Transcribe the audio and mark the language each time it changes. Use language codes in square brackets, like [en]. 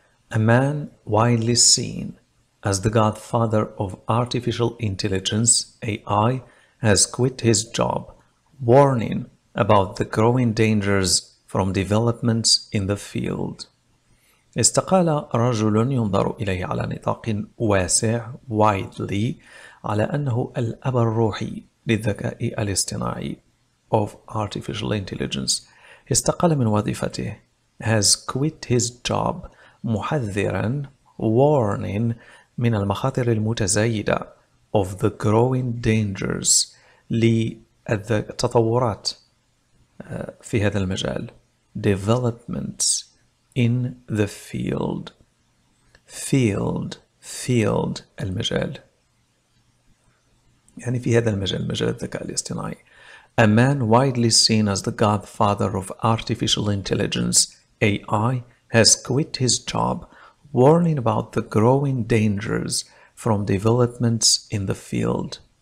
[en] A man widely seen as the godfather of artificial intelligence AI has quit his job warning about the growing dangers from developments in the field. [ar] استقال رجل ينظر إليه على نطاق واسع [en] widely [ar] على أنه الأب الروحي للذكاء الاصطناعي [en] of artificial intelligence. [ar] استقال من وظيفته [en] has quit his job [ar] محذرا [en] warning [ar] من المخاطر المتزايدة [en] of the growing dangers [ar] للتطورات في هذا المجال [en] developments in the field field [ar] المجال يعني في هذا المجال مجال الذكاء الاصطناعي. [en] A man widely seen as the godfather of artificial intelligence AI has quit his job warning about the growing dangers from developments in the field.